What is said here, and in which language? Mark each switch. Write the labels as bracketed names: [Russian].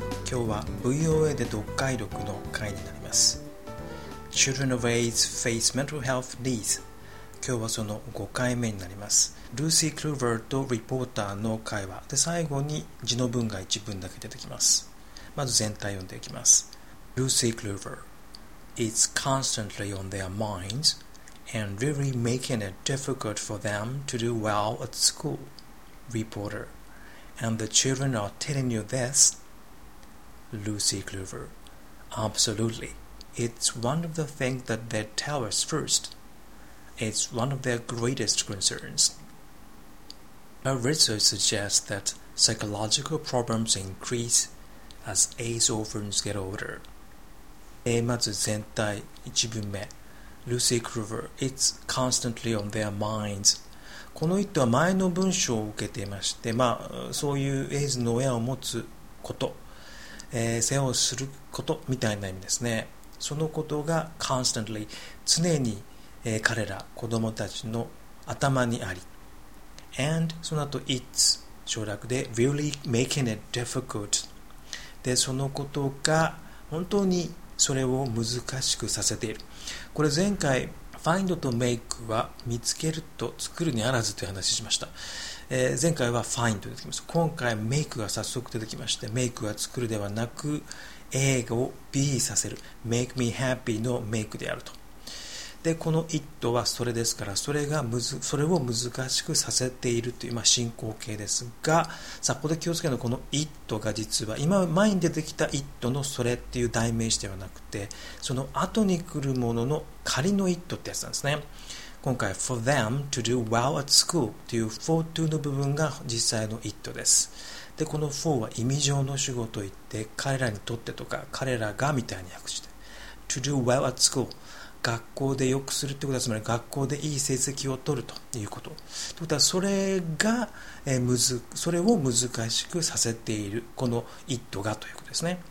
[Japanese] 今日は VOA で読解力の回になります。 [English] Children of AIDS face mental health needs。 [Japanese] 今日はその5回目になります。ルーシー・クルーバーとリポーターの会話で、最後に字の文が一文だけ出てきます。まず全体読んでいきます。 [English] ルーシー・クルーバー It's constantly on their mindsAnd really making it difficult for them to do well at school. Reporter. And the children are telling you this? Lucy Clover. Absolutely. It's one of the things that they tell us first. It's one of their greatest concerns. Our research suggests that psychological problems increase as AIDS orphans get older. [Japanese] まず全体一文目。 [English] Lucy Clover, it's constantly on their minds. [Japanese] この人は前の文章を受けていまして、まあ、そういうエイズの親を持つこと、世話をすることみたいな意味ですね。そのことが constantly、常に、彼ら、子供たちの頭にあり。 [English] And [Japanese] その後 [English] it's、 [Japanese] 省略で [English] really making it difficult。 [Japanese] で、そのことが本当にそれを難しくさせている。これ前回 find と make は見つけると作るにあらずという話をしました、前回は find と出てきました。今回 make が早速出てきまして、 make は作るではなく A を B させる、 [English] make me happy [Japanese] の make であると。で、この it はそれですから、それを難しくさせているという、まあ、進行形ですが、さあここで気をつけるのは、この it が実は今前に出てきた it のそれっていう代名詞ではなくて、その後に来るものの仮の it ってやつなんですね。今回 [English] for them to do well at school [Japanese] という for to の部分が実際の it です。で、この for は意味上の主語といって、彼らにとってとか彼らがみたいに訳して、 [English] to do well at school、 [Japanese] 学校で良くするということは、つまり学校でいい成績を取るということ。ということは、それが、それを難しくさせている、この it がということですね。